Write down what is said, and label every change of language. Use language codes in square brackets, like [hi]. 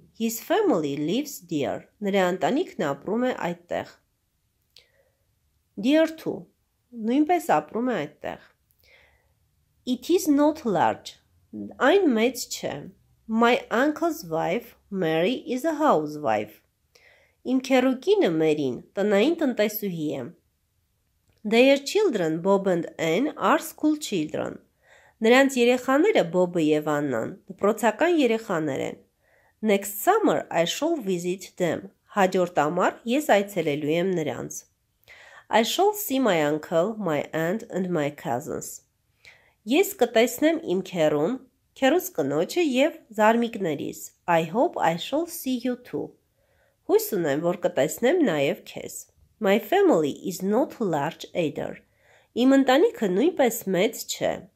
[en] His family lives there. [hy] Նրա ընտանիքն ապրում է այդտեղ. [en] There too. [hy] Նույնպես ապրում է այդտեղ. [en] It is not large. [hy] Այն մեծ չէ. [en] My uncle's wife, Mary, is a housewife. [hy] Իմ քերուկինը Մերին տնային տնտեսուհի է. [en] Their children, Bob and Ann, are school children. [hy] Նրանց երեխաները Bob-ը եւ Աննան դպրոցական երեխաներ են. [en] Next summer I shall visit them. [hy] Հաջորդ ամառ ես այցելելու եմ նրանց. [en] I shall see my uncle, my aunt and my cousins. [hy] Ես կտեսնեմ իմ քերուն, քերուս կնոջը եւ զարմիկներիս. [en] I hope I shall see you too. [hy] Հույս ունեմ, որ կտեսնեմ նաեւ քեզ. [en] My family is not large either. [hy] Իմ ընտանիքը նույնպես մեծ չէ.